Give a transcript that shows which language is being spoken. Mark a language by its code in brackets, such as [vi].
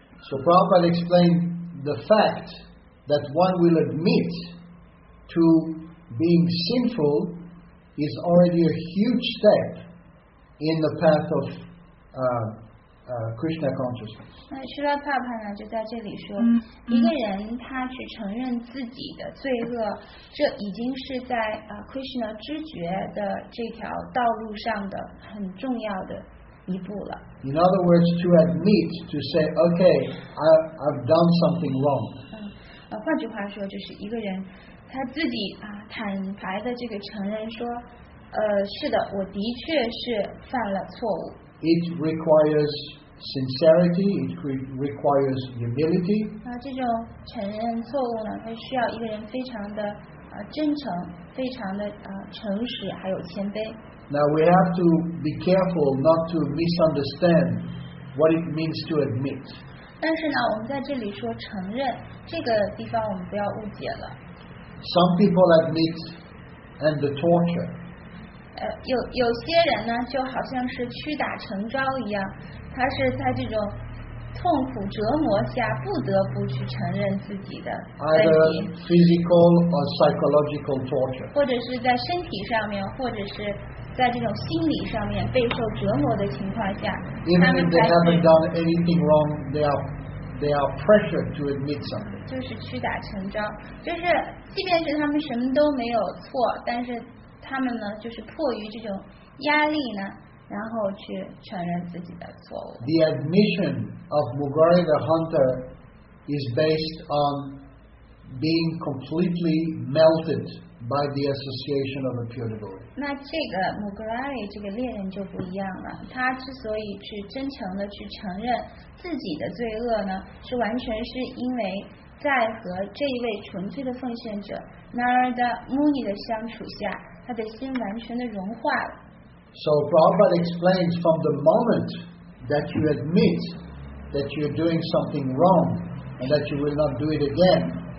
[en] So Prabhupada explained the fact that one will admit to being sinful is already a huge step in the path of Krishna consciousness. [zh] 那释迦帕帕呢就在这里说，一个人他去承认自己的罪恶，这已经是在Krishna 知觉的这条道路上的很重要的一步了。 [en] In other words, to admit to say, okay, I've done something wrong. [zh] 换句话说，就是一个人他自己坦白的这个承认说，是的，我的确是犯了错误。 [en] It requires sincerity, it requires humility. [zh] 这种承认错误呢，它需要一个人非常的真诚，非常的诚实，还有谦卑。 [en] Now we have to be careful not to misunderstand what it means to admit. [zh] 但是呢，我们在这里说承认，这个地方我们不要误解了。 [en] Some people admit and the torture. [zh] 有些人呢，就好像是屈打成招一样，他是在这种痛苦折磨下不得不去承认自己的问题。 [en] Either physical or psychological torture. [zh] 或者是在身体上面，或者是在这种心理上面备受折磨的情况下。 [en] Even if they haven't done anything wrong, they are pressured to admit something. [zh] 就是屈打成招，就是即便是他们什么都没有错，但是他们呢，就是迫于这种压力呢，然后去承认自己的错误。 [en] The admission of Mugari the hunter is based on being completely melted by the association of a pure devotee. [zh] 那这个 Mugari 这个猎人就不一样了。他之所以去真诚的去承认自己的罪恶呢，是完全是因为在和这一位纯粹的奉献者 Narada Muni 的相处下，他的心完全的融化了。 [en] So Prabhupada explains from the moment that you admit that you're doing something wrong and that you will not do it again,